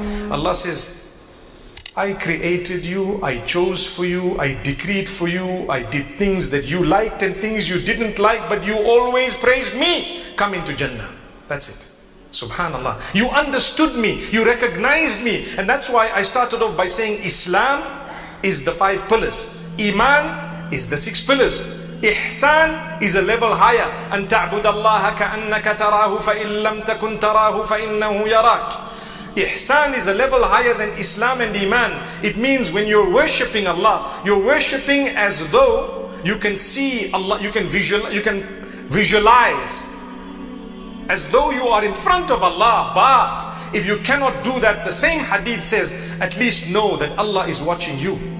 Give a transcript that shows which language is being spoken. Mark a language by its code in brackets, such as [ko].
[en] Allah says, I created you, I chose for you, I decreed for you, I did things that you liked and things you didn't like, but you always praised me. Come into Jannah. That's it. Subhanallah. You understood me, you recognized me, and that's why I started off by saying Islam is the five pillars, Iman is the six pillars, Ihsan is a level higher. [ar] أن تعبد الله كأنك تراه فإن لم تكن تراه فإنه يراك. [en] Ihsan is a level higher than Islam and Iman. It means when you're worshipping Allah, you're worshipping as though you can see Allah, you can visualize as though you are in front of Allah. But if you cannot do that, the same hadith says, at least know that Allah is watching you.